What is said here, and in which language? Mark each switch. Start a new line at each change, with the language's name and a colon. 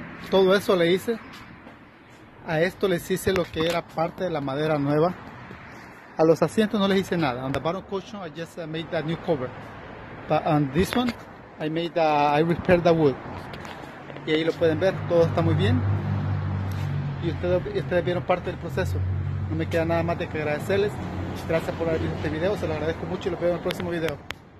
Spanish: Todo eso le hice. A esto les hice lo que era parte de la madera nueva. A los asientos no les hice nada.
English: On the bottom cushion, I just made that new cover. But on this one, I repaired the wood.
Spanish: Y ahí lo pueden ver, todo está muy bien. Y ustedes vieron parte del proceso. No me queda nada más de que agradecerles. Gracias por haber visto este video, se lo agradezco mucho y los veo en el próximo video.